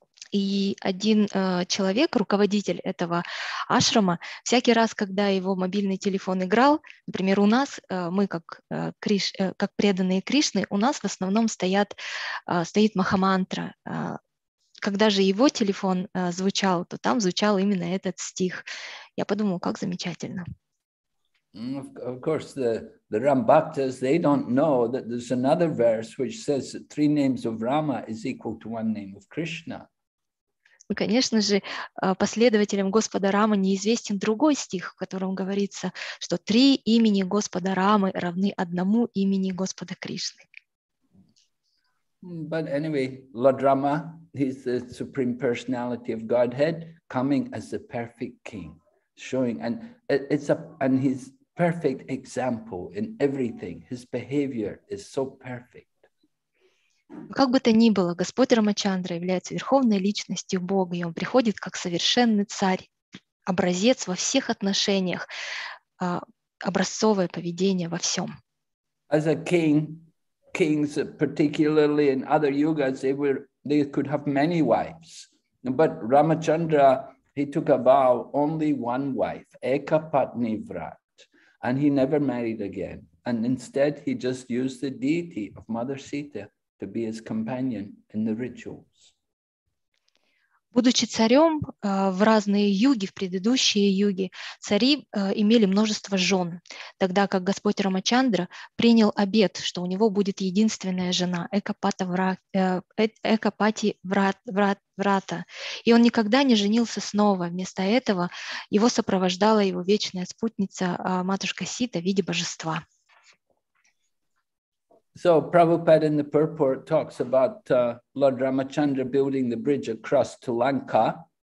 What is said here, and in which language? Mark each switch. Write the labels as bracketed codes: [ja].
[ru] И один человек, руководитель этого ашрама, всякий раз, когда его мобильный телефон играл, например, у нас, мы как преданные Кришны, у нас в основном стоит Махамантра. Когда же его телефон звучал, то там звучал именно этот стих. Я подумала, как замечательно. [en] Of course, the Ram Bhaktas, they don't know that there's another verse which says that three names of Rama is equal to one name of Krishna. [ru] И, конечно же, последователям Господа Рамы неизвестен другой стих, в котором говорится, что три имени Господа Рамы равны одному имени Господа Кришны. [en] But anyway, Lord Rama, he's the supreme personality of Godhead, coming as the perfect king, showing, and it's his perfect example in everything. His behavior is so perfect. [ru] Как бы то ни было, Господь Рамачандра является верховной личностью Бога, и Он приходит как совершенный царь, образец во всех отношениях, образцовое поведение во всем. [en] As a king, kings, particularly in other yugas, they could have many wives. But Ramachandra, he took a vow, only one wife, Eka Patni Vrat, and he never married again. And instead, he just used the deity of Mother Sita to be his companion in the rituals. [ru] Будучи царем в разные юги, в предыдущие юги, цари имели множество жен, тогда как Господь Рамачандра принял обет, что у него будет единственная жена, Экапати Врата. И он никогда не женился снова. Вместо этого его сопровождала его вечная спутница, матушка Сита, в виде божества. [en] So Prabhupada in the purport talks about Lord Ramachandra building the bridge across to Lanka.